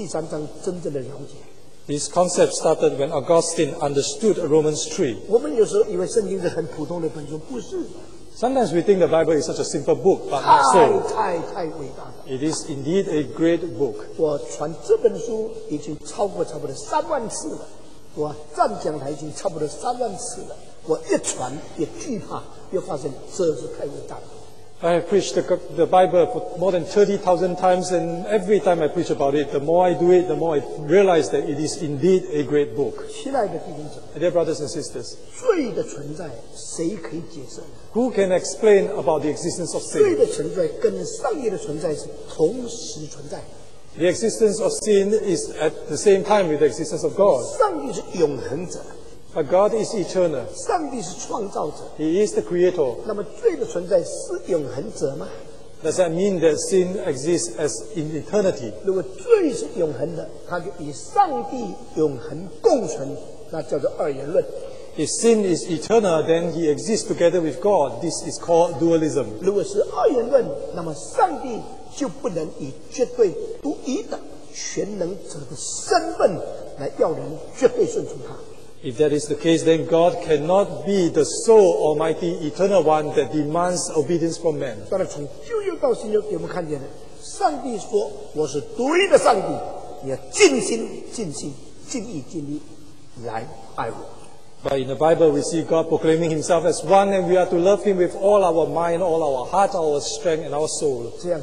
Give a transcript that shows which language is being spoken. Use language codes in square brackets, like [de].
[zh] 这种观念的开始是这个奥古斯丁对罗马书第三章真正的了解。 [en] This concept started when Augustine understood Romans 3. [zh] 我们有时候以为圣经是很普通的本书，不是。 [en] Sometimes we think the Bible is such a simple book, but not so. [zh] 太伟大了。 [en] It is indeed a great book. [zh] 我传这本书已经超过差不多三万次了。我站讲台已经差不多三万次了。我一传也惧怕，又发现这是太伟大了。 [en] I have preached the Bible for more than 30,000 times, and every time I preach about it, the more I do it, the more I realize that it is indeed a great book. [zh] 亲爱的弟兄姊妹, [en] dear brothers and sisters, [zh] 罪的存在, 谁可以解释? [en] Who can explain about the existence of sin? [zh] 罪的存在跟上帝的存在是同时存在。 [en] The existence of sin is at the same time with the existence of God. [zh] 上帝是永恒者。 [en] But God is eternal. [zh] 上帝是创造者。 [en] He is the creator. [zh] 那么罪的存在是永恒者吗? [en] Does that mean that sin exists as in eternity? [zh] 如果罪是永恒的，它就与上帝永恒共存，那叫做二元论。 [en] If sin is eternal, then he exists together with God. This is called dualism. [zh] 如果是二元论, 那么上帝就不能以绝对独一的全能者的身份来要人绝对顺从他。 [en] If that is the case, then God cannot be the sole almighty eternal one that demands obedience from man. [zh] 但是从旧约到新约给我们看见的，上帝说我是独一的上帝，也尽心尽心尽意尽力来爱我。 [en] But in the Bible, we see God proclaiming himself as one, and we are to love him with all our mind, all our heart, our strength, and our soul.